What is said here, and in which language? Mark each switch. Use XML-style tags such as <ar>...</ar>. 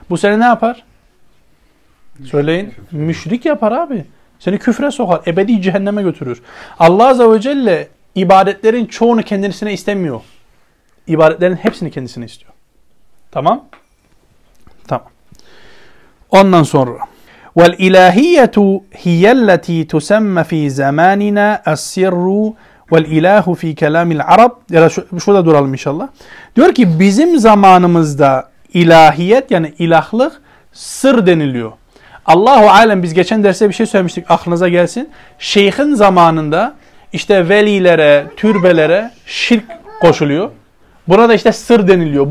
<tr>Bu seni ne yapar? Söyleyin. Müşrik yapar abi. Seni küfre sokar. Ebedi cehenneme götürür. Allah Azze ve Celle ibadetlerin çoğunu kendisine istemiyor. İbadetlerin hepsini kendisine istiyor. Tamam? Tamam. Ondan sonra...</tr> <ar>وَالْاِلَٰهِيَّةُ هِيَ الَّتِي تُسَمَّ فِي زَمَانِنَا اَسْسِرُّ وَالْاِلَٰهُ فِي كَلَامِ الْعَرَبِ</ar> <tr>Yani şurada duralım inşallah. Diyor ki bizim zamanımızda ilahiyet yani ilahlık sır deniliyor. Allahu alem biz geçen derste bir şey söylemiştik aklınıza gelsin. Şeyhin zamanında işte velilere, türbelere şirk koşuluyor. Buna da işte sır deniliyor.</tr>